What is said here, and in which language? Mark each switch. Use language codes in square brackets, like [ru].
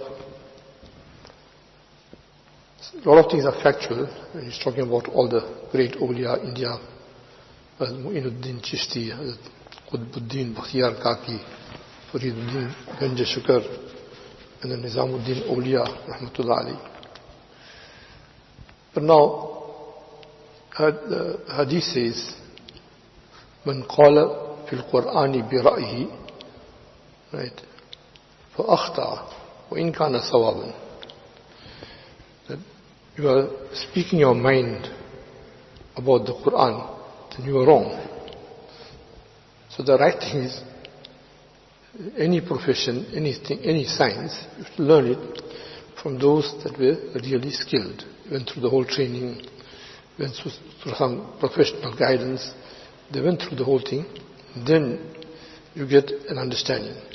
[en] A lot of things are factual, and he's talking about all the great awliya India, Mu'inuddin Chishti, Qutbuddin, Bakhtiyar Kaki, Fariduddin, Ganja Shukar, and then Nizamuddin Awliya, Rahmatullah Ali. But now, hadith says, [ar] من قال في القرآن برأيه فأخطأ وإن كان صوابا. [en] You are speaking your mind about the Quran, then you are wrong. So the right thing is, any profession, anything, any science, you should learn it from those that were really skilled, went through the whole training, went through some professional guidance, they went through the whole thing, then you get an understanding.